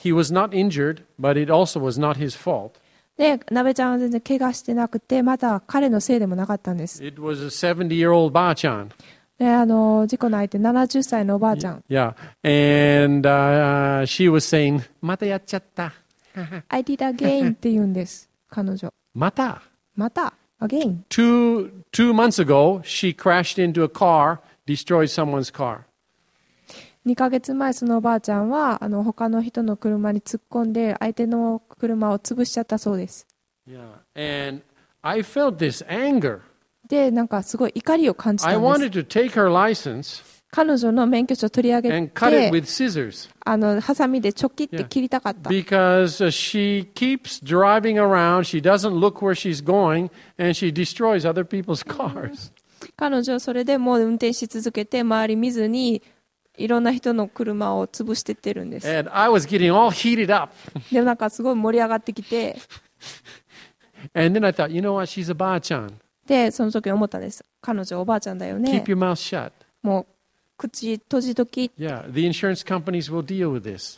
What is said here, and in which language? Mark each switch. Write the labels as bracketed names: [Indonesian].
[English] He was not injured, but it also was not his fault. [Japanese] で、ナベちゃんは全然怪我してなくて、また彼のせいでもなかったんです。 [English] It was a 70-year-old ばあちゃん。 [Japanese] 事故の相手70歳のおばあちゃん。 [English] Yeah. And, she was saying, [Japanese] またやっちゃった。 [English] I did again [Japanese] って言うんです、彼女。また。また。 [English] Again. Two months ago, she crashed into a car, destroyed someone's car. [Japanese] 2ヶ月前、そのおばあちゃんは、他の人の車に突っ込んで、相手の車を潰しちゃったそうです。 [English] Yeah. And I felt this anger. [Japanese] で、なんかすごい怒りを感じたんです。 [English] I wanted to take her license. [Japanese] 彼女の免許証を取り上げて、 [English] and cut it with scissors. [Japanese] ハサミでちょきって切りたかった。 [English] Yeah. Because she keeps driving around, she doesn't look where she's going, and she destroys other people's cars. [Japanese] 彼女はそれでもう運転し続けて、周り見ずに、いろんな人の車を潰していってるんです。 [English] And I was getting all heated up. [Japanese] でなんかすごい盛り上がってきて。 [English] And then I thought, you know what? She's a ばあちゃん。 [Japanese] でその時思ったんです。彼女はおばあちゃんだよね。 [English] Keep your mouth shut. [Japanese] もう口閉じとき。 [English] Yeah, the insurance companies will deal with this.